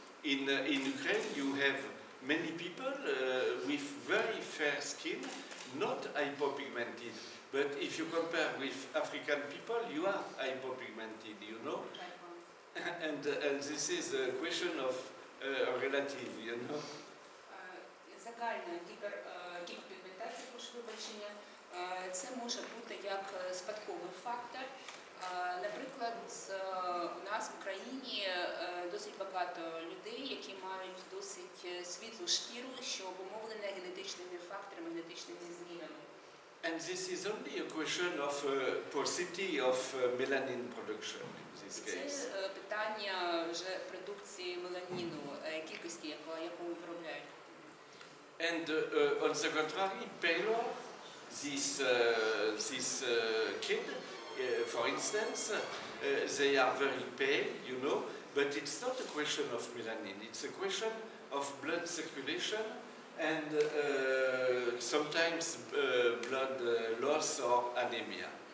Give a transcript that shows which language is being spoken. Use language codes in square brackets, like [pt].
[en] In Ukraine, you have many people with very fair skin, not hypopigmented. But if you compare with African people, you are hypopigmented, you know? And this is a question of relative, you know? [uk] Загальна гіперпігментація, прошу вибачення, це може бути як спадковий фактор. Наприклад, у нас в Україні досить багато людей, які мають досить світлу шкіру, що обумовлене генетичними факторами, генетичними змінами. [en] And this is only a question of paucity of melanin production in this case. [uk] Це питання вже продукції меланіну, кількості, яку виробляють. [en] And on the contrary, paler, this kid, for instance, they are very pale, you know, but it's not a question of melanin, it's a question of blood circulation and sometimes blood loss or anemia.